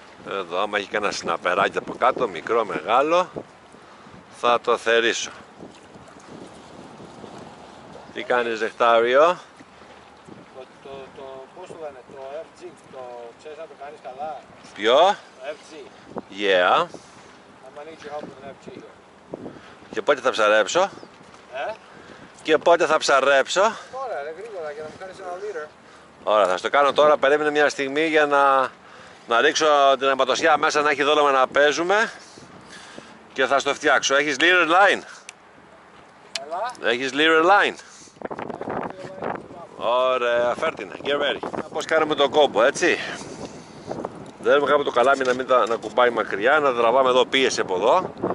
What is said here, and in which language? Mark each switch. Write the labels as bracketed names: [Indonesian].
[Greek] Εδώ, άμα έχει κανένα σναπεράκι από κάτω, μικρό, μεγάλο, θα το θερίσω. Τι κάνεις, Δεχτάριο? Το πώς το λένε, το FG, το ξέρεις να το κάνεις καλά. Ποιο? Το FG. [English] Yeah. I'm gonna need your help with an FG here. [Greek] Και πότε θα ψαρέψω? Ε? Και πότε θα ψαρέψω? Τώρα, ρε, γρήγορα, για να μου κάνεις ένα leader. Ωραία, θα στο κάνω τώρα, περίμενε μια στιγμή για να ρίξω την αιματοσιά μέσα, να έχει δόλωμα να παίζουμε και θα στο φτιάξω. Έχεις leader line? Έλα. Έχεις leader line? Ωραία, φέρτινα, [English] get ready. [Greek] Πώς κάνουμε τον κόμπο, έτσι. Δέρουμε κάπου το καλάμι να μην να κουμπάει μακριά, να τραβάμε εδώ πίεση από εδώ.